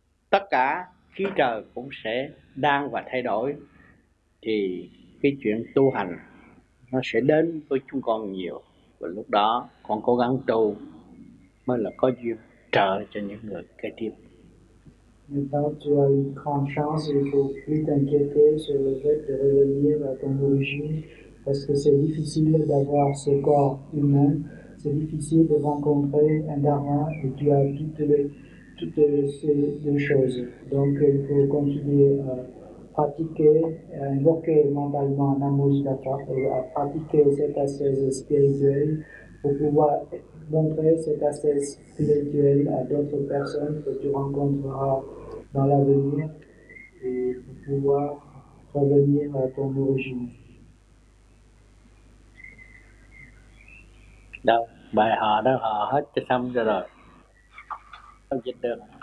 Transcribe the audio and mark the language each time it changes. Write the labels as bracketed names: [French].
[Vietnamese] tất cả khí trời cũng sẽ đang và thay đổi, thì cái chuyện tu hành nó sẽ đến với chúng con nhiều, và lúc đó con cố gắng tu mới là có duyên trợ cho những người kế tiếp. [French] Maintenant tu as une grande chance, il ne faut plus t'inquiéter sur le fait de revenir à ton origine, parce que c'est difficile d'avoir ce corps humain, c'est difficile de rencontrer un dharma, et tu as toutes ces deux choses. Donc il faut continuer à pratiquer, à invoquer mentalement un Mahamudra, et à pratiquer cette assise spirituelle pour pouvoir montrer cette assise spirituelle à d'autres personnes que tu rencontreras dans l'avenir et pour pouvoir revenir à ton origine. [Vietnamese] Đâu, bài họ đó họ hết cho xong rồi. Không dịch được.